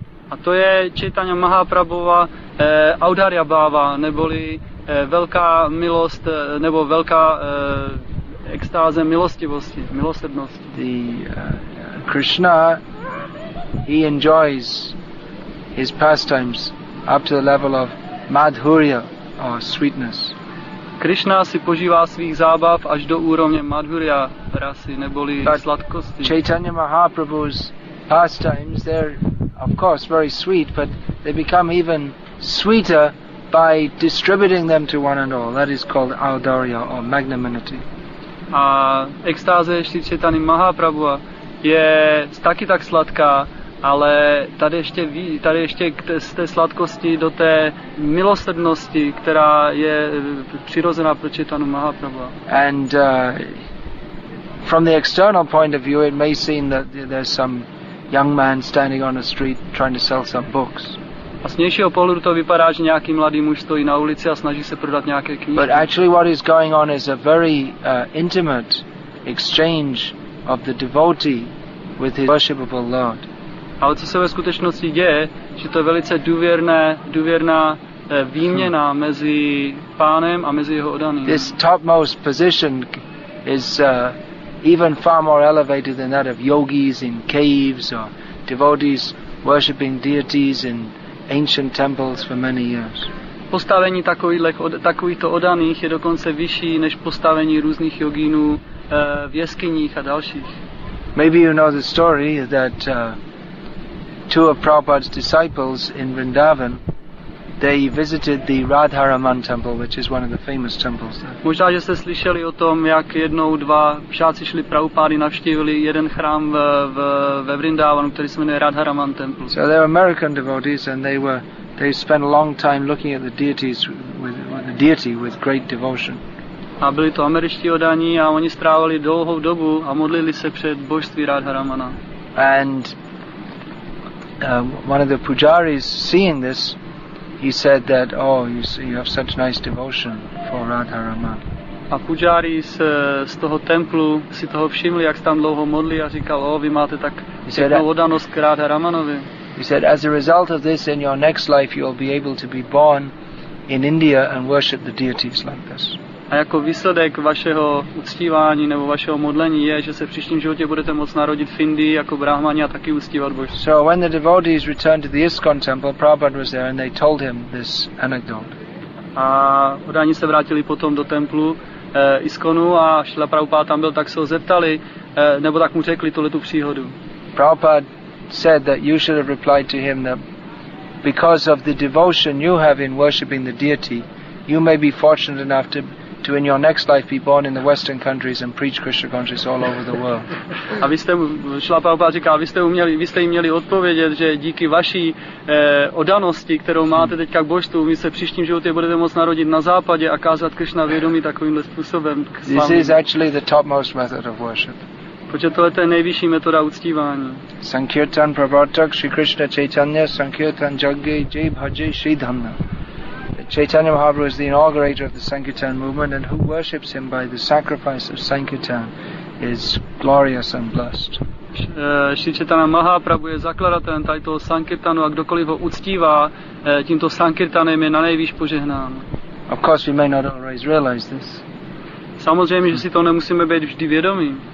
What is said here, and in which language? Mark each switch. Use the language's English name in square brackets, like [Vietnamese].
[Czech] A to je Chaitanya Mahaprabhuva Audarya Bhava, neboli velká milost nebo velká extáze milostivosti, milosrdnosti. [English] Krishna, he enjoys his pastimes up to the level of madhurya or sweetness. [Czech] Krishna si požívá svých zábav až do úrovně madhurya, rasy, neboli sladkosti. [English] Chaitanya Mahaprabhu's pastimes, they're of course very sweet, but they become even sweeter by distributing them to one and all. That is called audarya or magnanimity. [Czech] A extáze Shri Chaitanya Mahaprabhu je taky tak sladká, ale tady ještě z té sladkosti do té milosrdnosti, která je přirozená pro Chaitanya Mahaprabhu. [English] And from the external point of view, it may seem that there's some young man standing on the street trying to sell some books. [Czech] A z vnějšího pohledu to vypadá, že nějaký mladý muž stojí na ulici a snaží se prodat nějaké knihy. [English] But actually what is going on is a very intimate exchange of the devotee with his worshipable Lord. [Czech] Ale co se ve skutečnosti děje, že to je velice důvěrná výměna mezi pánem a mezi jeho oddaným. [English] This topmost position is even far more elevated than that of yogis in caves or devotees worshipping deities in ancient temples for many years. [Czech] Postavení takovýchto oddaných je dokonce vyšší než postavení různých jogínů v jeskyních a dalších. [English] Maybe you know the story that two of Prabhupada's disciples in Vrindavan, they visited the Radharaman temple, which is one of the famous temples there. [Czech] Možná že jste slyšeli o tom, jak jednou dva žáci šli Prabhupády navštívili jeden chrám ve Vrindavanu, který se jmenuje Radharaman temple. [English] So they were American devotees and they spent a long time looking at the deities with the deity with great devotion. [Czech] A byli to američtí oddaní a oni strávali dlouhou dobu a modlili se před božství Radharamana. [English] And one of the pujaris, seeing this, he said that, oh, you have such nice devotion for Radharaman. [Czech] A pujari z toho templu si toho všimli, jak se tam dlouho modlí a říkal, oh, vy máte tak pěknou oddanost k Radharamanovi. [English] He said, as a result of this, in your next life, you will be able to be born in India and worship the deities like this. [Czech] A jako výsledek vašeho uctívání nebo vašeho modlení je, že se v příštím životě budete moct narodit v Indii jako brahmani a taky uctívat Boží. [English] So when the devotees returned to the ISKCON temple, Prabhupada was there and they told him this anecdote. [Czech] A oddaní se vrátili potom do templu ISKCONu a Šrila Prabhupada tam byl, tak se ho zeptali, nebo tak mu řekli tuhle tu příhodu. [English] Prabhupada said that you should have replied to him that because of the devotion you have in worshipping the deity, you may be fortunate enough to in your next life be born in the western countries and preach Krishna consciousness all over the world. [Czech] A vy jste Šrila Prabhupada říká, vy jste jim měli odpovědět, že díky vaší oddanosti, kterou máte teďka k božstvu, my se příštím životě budete moct narodit na západě a kázat Krishna vědomí takovýmhle způsobem. [English] This is actually the topmost method of worship. [Czech] Protože tohle je nejvyšší metoda uctívání. [Sanskrit] Sankirtan Prabhatak Sri Krishna Chaitanya Sankirtan Jagge Jai Bhaje Sri Dhamna. [English] Chaitanya Mahaprabhu is the inaugurator of the Sankirtan movement and who worships him by the sacrifice of Sankirtan is glorious and blessed. [Czech] Shri Chaitanya Mahaprabhu je zakladatelem tajto Sankirtanu a kdokoliv ho uctívá, tímto Sankirtanem je na nejvýš požehnán. [English] Of course we may not always realize this. [Czech] Samozřejmě, že si to nemusíme být vždy vědomí.